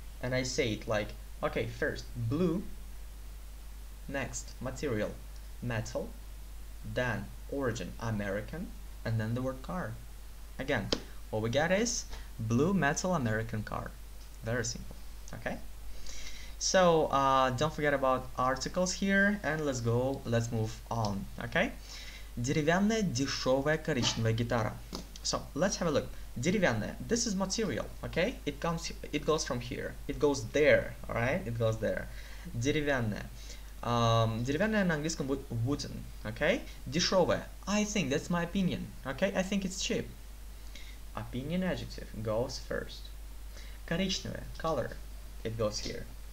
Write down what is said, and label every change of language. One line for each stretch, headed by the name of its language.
English: And I say it like, okay, first blue, next material, metal, then origin, American, and then the word car. Again, what we get is blue metal American car. Very simple, okay? So, don't forget about articles here, and let's go, let's move on, okay?
Russian: Деревянная дешевая коричневая гитара.
English: So, let's have a look. Деревянная, this is material, okay? It comes, it goes from here, it goes there, alright? It goes there.
Russian: Деревянная. Деревянная на английском будет
English: wooden, okay? Дешевая, I think, that's my opinion, okay? I think it's cheap. Opinion adjective goes first. Коричневая, color, it goes here.